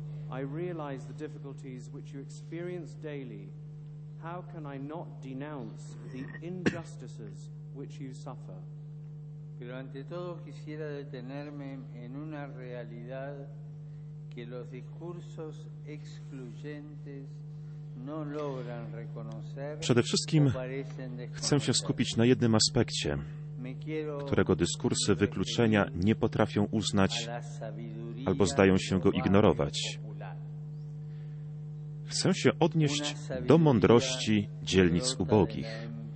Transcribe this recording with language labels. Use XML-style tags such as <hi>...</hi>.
<en>I realize the difficulties which you experience daily. How can I not denounce the injustices which you suffer?</en> <es>Pero ante todo quisiera detenerme en una realidad que los discursos excluyentes no logran reconocer.</es> <pl>Przede wszystkim chcę się skupić na jednym aspekcie, którego dyskursy wykluczenia nie potrafią uznać albo zdają się go ignorować. Chcę się odnieść do mądrości dzielnic ubogich.</pl>